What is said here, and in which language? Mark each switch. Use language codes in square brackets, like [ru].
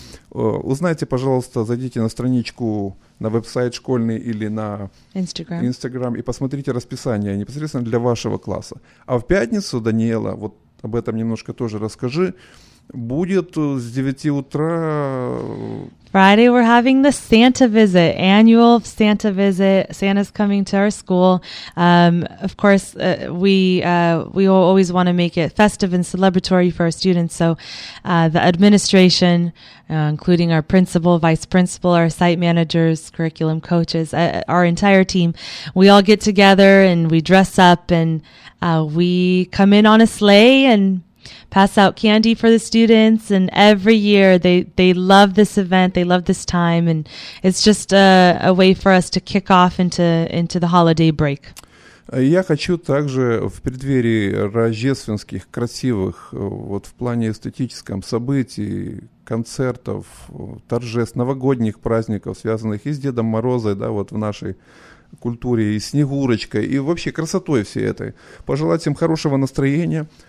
[ru] Узнайте, пожалуйста, зайдите на страничку на веб-сайт школьный или на [en] Instagram [ru] и посмотрите расписание непосредственно для вашего класса. А в пятницу, Даниэла, вот об этом немножко тоже расскажи, будет с 9 утра. [en] Friday we're having the Santa visit, annual Santa visit. Santa's coming to our school. Of course, we always want to make it festive and celebratory for our students. So the administration, including our principal, vice principal, our site managers, curriculum coaches, our entire team, we all get together and we dress up and we come in on a sleigh and pass out candy for the students, and every year they love this event, they love this time, and it's just a way for us to kick off into the holiday break. [ru] Я хочу также в преддверии рождественских, красивых, вот в плане эстетическом, событий, концертов, торжеств, новогодних праздников, связанных и с Дедом Морозом, да, вот в нашей культуре, и Снегурочкой, и вообще красотой всей этой, пожелать им хорошего настроения.